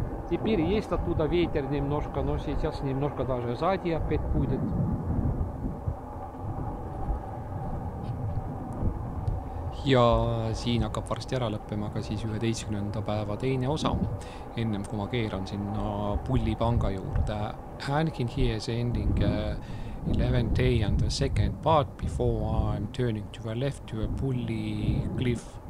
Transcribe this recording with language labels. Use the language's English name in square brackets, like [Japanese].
[Russian] Теперь есть оттуда ветер немножко, но сейчас немножко даже сзади опять будет. [Estonian] Ja siin hakkab varsti ära lõppema ka siis 11. päeva teine osa, ennem kui ma keeran sinna Pullipanga juurde. [English] And here is ending 11th day and the second part before I'm turning to the left to a Pulli cliff.